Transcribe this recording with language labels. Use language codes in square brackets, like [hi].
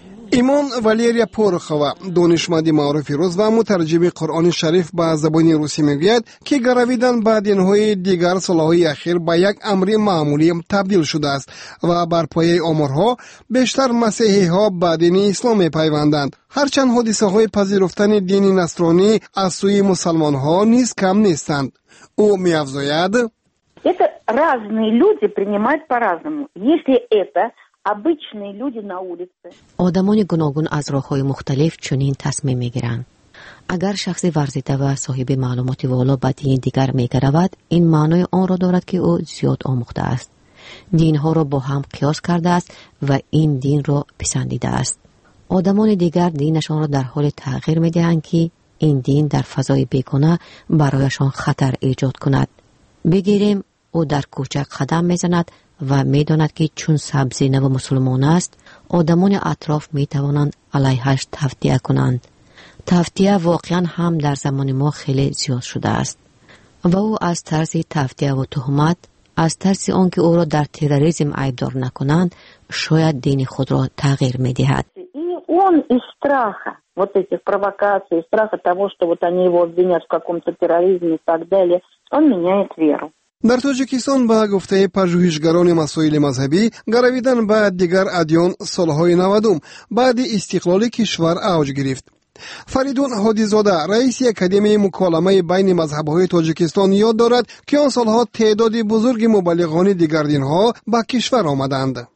[fa] ایمان والیریا پورخوا، دانشمند معروف روس و مترجم قرآن شریف به زبان روسی، میگوید که گرویدن به دینهای دیگر سالهای اخیر به یک امر معمولی تبدیل شده است و بر پایه آمارها بیشتر مسیحی ها به دین اسلام پیوندند، هرچند حادثه های پذیرفتن دین نصرانی از سوی مسلمان ها نیز کم نیستند. او می افزاید: [ru] разные люди принимают по-разному. Если это обычные люди на улице. [tg] Одамони гуногун аз роҳҳои мухталиф чунин тасмим мегиранд. Агар шахси варзида ва соҳиби маълумоти воло ба дини дигар мегаравад, ин маънои онро дорад ки ӯ зиёд омӯхтааст. Динҳоро бо ҳам қиёс кардааст ва ин динро писандидааст. Одамони дигар динашонро дар ҳоли тағйир медиҳанд ки ин дин дар фазои бегона барояшон хатар эҷод кунад. Бигирем, ӯ дар кӯча қадам мезанад ва медонад ки чун сабзи нав мусулмон аст, одамони атроф метавонанд алайҳаш тавтия кунанд. Тавтия воқеан ҳам дар замони мо хеле зиёд шудааст. Ва ӯ аз тарзи тавтия ва туҳмат, аз тарзи он ки ӯро дар терроризм айбдор накунанд, шояд дини худро тағйир медиҳад. [ru] Он из страха, вот этих провокаций, страха того, что вот они его обвинят в каком-то терроризме и так далее, он меняет веру. [tg] Дар Тоҷикистон ба гуфтаи пажӯҳишгарони масоили мазҳабӣ, гаравидан ба дигар адён солҳои 90-ум баъди истиқлоли кишвар авҷ гирифт. Фаридун Ҳодизода, раиси Академияи муколамаи байни мазҳабҳои Тоҷикистон, ёд дорад, ки он солҳо теъдоди бузурги мубаллиғони дигар динҳо ба кишвар омаданд.